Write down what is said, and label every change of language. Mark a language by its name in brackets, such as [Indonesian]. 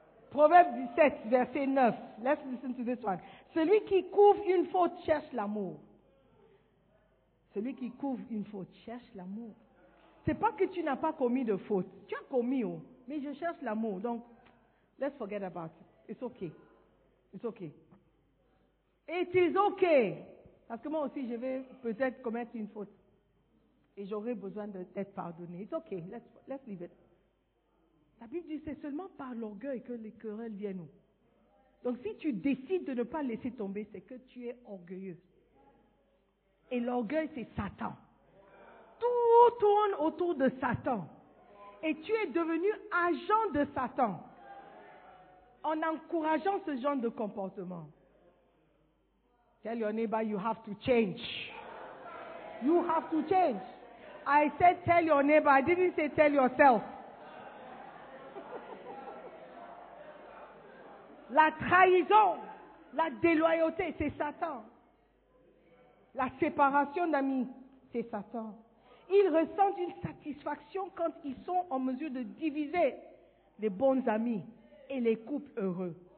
[French] Proverbe 17, verset 9. [English] Let's listen to this one. [French] Celui qui couvre une faute cherche l'amour. Celui qui couvre une faute cherche l'amour. C'est pas que tu n'as pas commis de faute. Tu as commis, oh, mais je cherche l'amour. [English] Donc, let's forget about it. It's okay. It's okay. It is okay. [French] Parce que moi aussi, je vais peut-être commettre une faute. Et j'aurai besoin d'être pardonné. [English] It's okay. Let's leave it. [French] La Bible dit que c'est seulement par l'orgueil que les querelles viennent. Donc si tu décides de ne pas laisser tomber, c'est que tu es orgueilleux. Et l'orgueil, c'est Satan. Tout tourne autour de Satan. Et tu es devenu agent de Satan. En encourageant ce genre de comportement. [English] Tell your neighbor, you have to change. You have to change. I said tell your neighbor, I didn't say tell yourself. [French] La trahison, la déloyauté, c'est Satan. La séparation d'amis, c'est Satan. Ils ressentent une satisfaction quand ils sont en mesure de diviser les bons amis et les couples heureux.